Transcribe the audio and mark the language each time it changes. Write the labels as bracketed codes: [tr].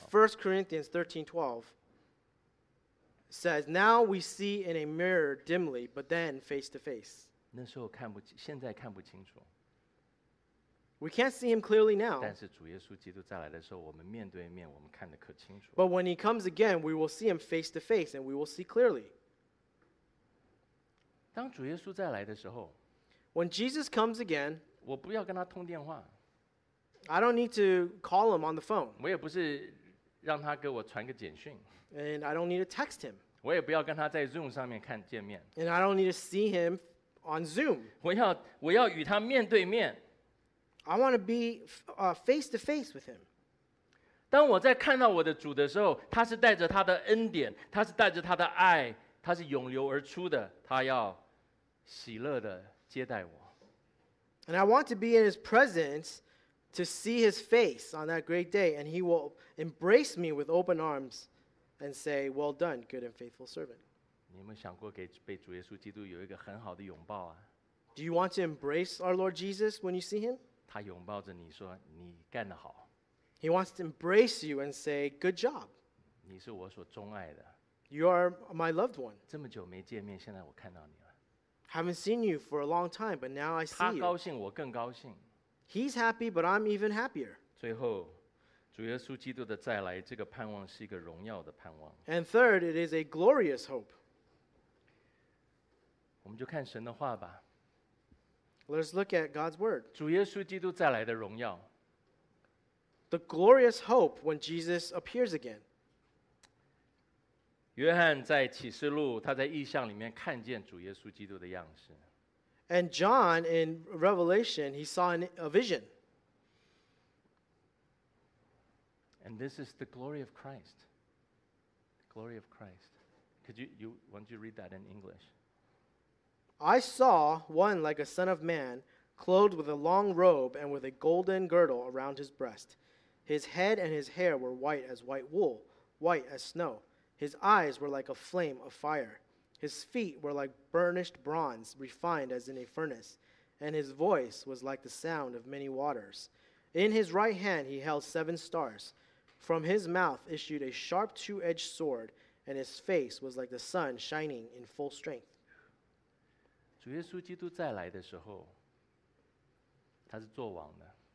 [en] Oh, 1 Corinthians 13:12 says, Now we see in a mirror dimly, but then face to face. [zh] 那时候看不清，现在看不清楚。 [en] We can't see him clearly now. [zh] 但是主耶稣基督再来的时候，我们面对面，我们看得可清楚。 [en] But when he comes again, we will see him face to face, and we will see clearly. [zh] 当主耶稣再来的时候， [en] When Jesus comes again, [zh] 我不要跟他通电话。 [en] I don't need to call him on the phone. [zh] 我也不是让他给我传个简讯。 [en] And I don't need to text him. [zh] 我也不要跟他在 Zoom 上面看见面。 [en] And I don't need to see him on Zoom. [zh] 我要与他面对面。 [en] I want to be face to face with him. [zh] 当我在看到我的主的时候，他是带着他的恩典，他是带着他的爱，他是涌流而出的，他要喜乐的接待我。 [en] And I want to be in his presence to see his face on that great day, and he will embrace me with open arms and say, "Well done, good and faithful servant." [zh] 你有没有想过给被主耶稣基督有一个很好的拥抱啊？ [en] Do you want to embrace our Lord Jesus when you see him? [zh] 他拥抱着你说，你干得好。 [en] He wants to embrace you and say, "Good job." [zh] 你是我所钟爱的。 [en] You are my loved one. [zh] 这么久没见面，现在我看到你了。 [en] Haven't seen you for a long time, but now I see you. [zh] 他高兴，我更高兴。 [en] He's happy, but I'm even happier. [zh] 最后，主耶稣基督的再来，这个盼望是一个荣耀的盼望。 [en] And third, it is a glorious hope. [zh] 我们就看神的话吧。 [en] Let's look at God's word. [zh] 主耶稣基督再来的荣耀。 [en] The glorious hope when Jesus appears again. [zh] 约翰在启示录，他在异象里面看见主耶稣基督的样式。 [en] And John, in Revelation, he saw a vision. And this is the glory of Christ. The glory of Christ. Could you, why don't you read that in English? I saw one like a son of man, clothed with a long robe and with a golden girdle around his breast. His head and his hair were white as white wool, white as snow. His eyes were like a flame of fire. His feet were like burnished bronze, refined as in a furnace, and his voice was like the sound of many waters. In his right hand he held seven stars. From his mouth issued a sharp two-edged sword, and his face was like the sun shining in full strength. [zh] 主耶稣基督再来的时候，他是作王的。